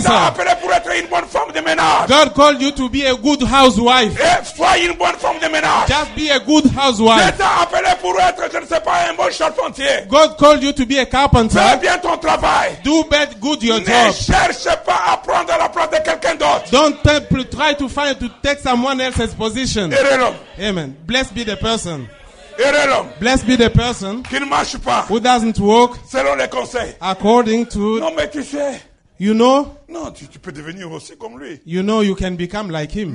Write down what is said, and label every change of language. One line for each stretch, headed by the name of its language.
French: Dieu t'a appelé pour être une bonne femme de ménage.
English: God called you to be a good housewife.
French: Et sois une bonne femme de ménage.
English: Just be a good housewife.
French: Dieu t'a appelé pour être, je ne sais pas, un bon charpentier.
English: God called you to be a carpenter.
French: Fais bien ton travail.
English: Do bad good your
French: ne
English: job.
French: Ne cherche pas à prendre la place de quelqu'un d'autre.
English: Don't try to find to take some one else's position. Amen. Blessed be the person. Blessed be the person
French: qui ne marche pas
English: who doesn't walk
French: selon les conseils.
English: According to
French: non, mais tu sais,
English: you know
French: non, tu peux devenir aussi comme lui.
English: You know you can become like him.